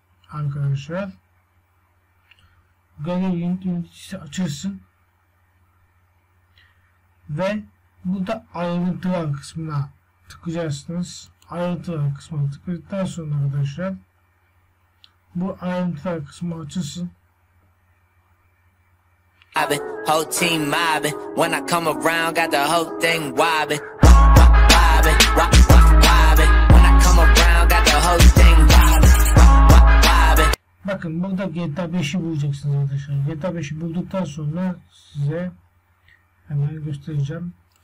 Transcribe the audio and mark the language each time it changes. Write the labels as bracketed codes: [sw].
[tr] Arkadaşlar galeri yöneticisi açılsın. Ve burada ayrıntılar kısmına tıklayacaksınız. Ayrıntılar kısmına tıkladıktan sonra arkadaşlar bu ayrıntılar kısmı açılsın. [en] I've been whole team mobbing. When I come around, got the whole thing wobbing. Wobbing, wobbing, wobbing. When I come around, got the whole thing wobbing. [tr] Bakın burada GTA 5'i bulacaksınız arkadaşlar. GTA 5'i bulduktan sonra size hemen göstereceğim.